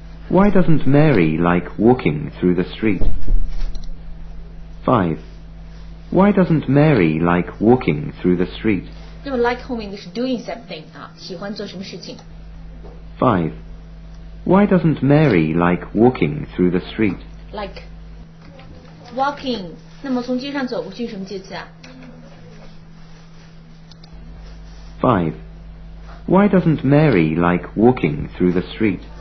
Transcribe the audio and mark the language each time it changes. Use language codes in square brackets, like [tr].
[en] Why doesn't Mary like walking through the street? 5. Why doesn't Mary like walking through the street? [zh] 那么 like 后面就是 doing something 啊，喜欢做什么事情。 [en] 5. Why doesn't Mary like walking through the street? Like walking. [zh] 那么从街上走过去什么介词啊？ [en] 5. Why doesn't Mary like walking through the street?